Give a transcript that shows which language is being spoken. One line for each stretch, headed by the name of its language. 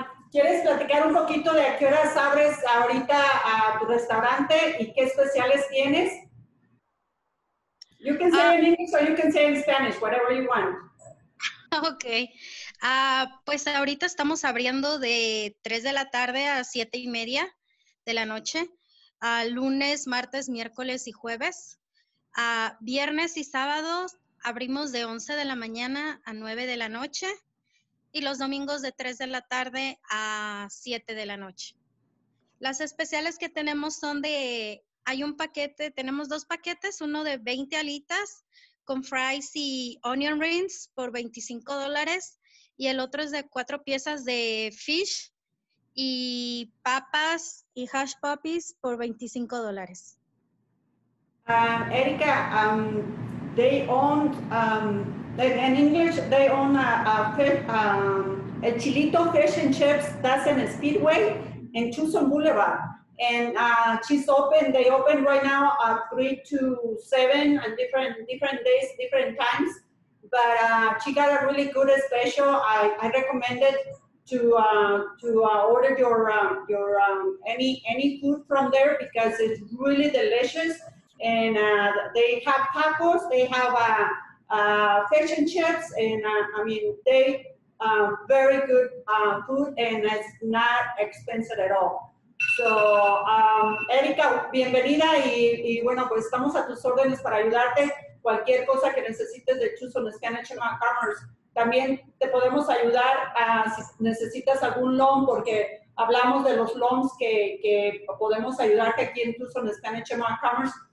Spanish: ¿Quieres platicar un poquito de a qué horas abres ahorita a tu restaurante y qué especiales tienes?
English: You can say in English or you can say in Spanish, whatever you want. Ok.
Spanish: Pues ahorita estamos abriendo de 3 de la tarde a 7 y media de la noche. Lunes, martes, miércoles y jueves. Viernes y sábados abrimos de 11 de la mañana a 9 de la noche. Y los domingos de 3 de la tarde a 7 de la noche. Las especiales que tenemos son de, hay un paquete, tenemos dos paquetes, uno de 20 alitas con fries y onion rings por $25. Y el otro es de 4 piezas de fish y papas y hash puppies por $25.
English: Erica, they own, in English, they own a Chilito Fish and Chips, that's in a Speedway in Tucson Boulevard. And she's open, they open right now at 3 to 7 and different days, different times. But she got a really good special. I recommend it to order your food from there because it's really delicious. And they have tacos, they have fish and chips, and they very good food, and it's not expensive at all.
Spanish: So, Erika, bienvenida, y bueno, pues estamos a tus órdenes para ayudarte. Cualquier cosa que necesites de Tucson Spanish and Commerce. También te podemos ayudar si necesitas algún loan, porque hablamos de los loans que podemos ayudarte aquí en Tucson Spanish and Commerce.